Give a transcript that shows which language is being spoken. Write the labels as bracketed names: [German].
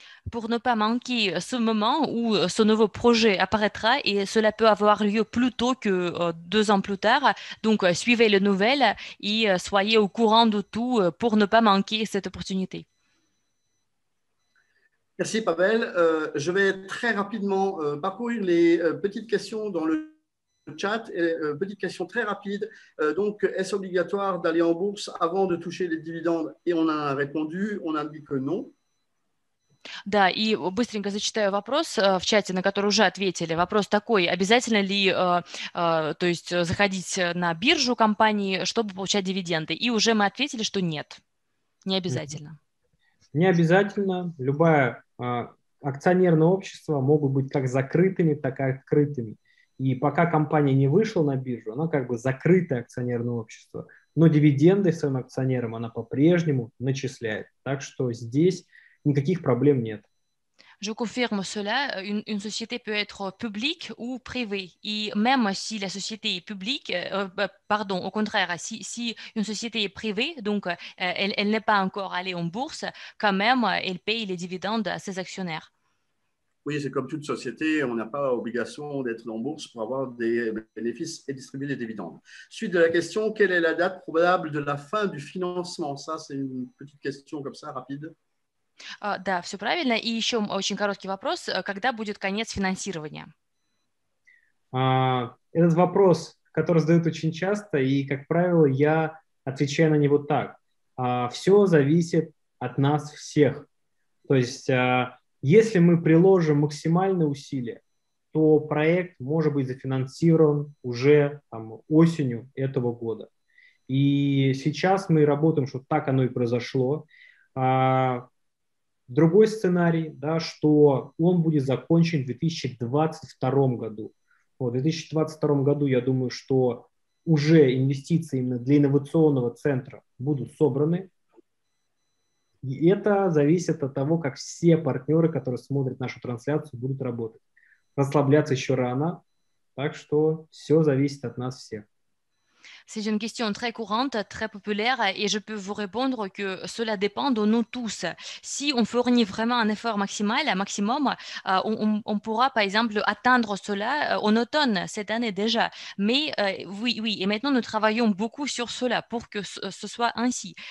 [French] Pour ne pas manquer ce moment où ce nouveau projet apparaîtra et cela peut avoir lieu plus tôt que 2 ans plus tard. Donc, suivez les nouvelles et soyez au courant de tout pour ne pas manquer cette opportunité. Merci, Pavel. Je vais très rapidement parcourir les petites questions dans le chat. Et, petite question très rapide. Donc, est-ce obligatoire d'aller en bourse avant de toucher les dividendes? Et on a répondu, on a dit que non. [Russian] Да, и быстренько зачитаю вопрос в чате, на который уже ответили. Вопрос такой, обязательно ли то есть заходить на биржу компании, чтобы получать дивиденды? И уже мы ответили, что нет, не обязательно. Не обязательно. Любое акционерное общество могут быть как закрытыми, так и открытыми. И пока компания не вышла на биржу, она как бы закрытое акционерное общество. Но дивиденды своим акционерам она по-прежнему начисляет. Так что здесь... Никаких проблем нет. [French] Je confirme cela, une société peut être publique ou privée. Et même si la société est publique, pardon, au contraire, si une société est privée, donc elle n'est pas encore allée en bourse, quand même, elle paye les dividendes à ses actionnaires. Oui, c'est comme toute société, on n'a pas obligation d'être en bourse pour avoir des bénéfices et distribuer des dividendes. Suite de la question, quelle est la date probable de la fin du financement? Ça, c'est une petite question comme ça, rapide. [Russian] Да, все правильно. И еще очень короткий вопрос. Когда будет конец финансирования? Этот вопрос, который задают очень часто, и, как правило, я отвечаю на него так. Все зависит от нас всех. То есть, если мы приложим максимальные усилия, то проект может быть зафинансирован уже там, осенью этого года. И сейчас мы работаем, что так оно и произошло. Другой сценарий, да, что он будет закончен в 2022 году. В 2022 году, я думаю, что уже инвестиции именно для инновационного центра будут собраны. И это зависит от того, как все партнеры, которые смотрят нашу трансляцию, будут работать. Расслабляться еще рано, так что все зависит от нас всех. [French] C'est une question très courante, très populaire, et je peux vous répondre que cela dépend de nous tous. Si on fournit vraiment un effort maximal, un maximum, on pourra, par exemple, atteindre cela en automne, cette année déjà. Mais oui, oui, et maintenant, nous travaillons beaucoup sur cela pour que ce soit ainsi.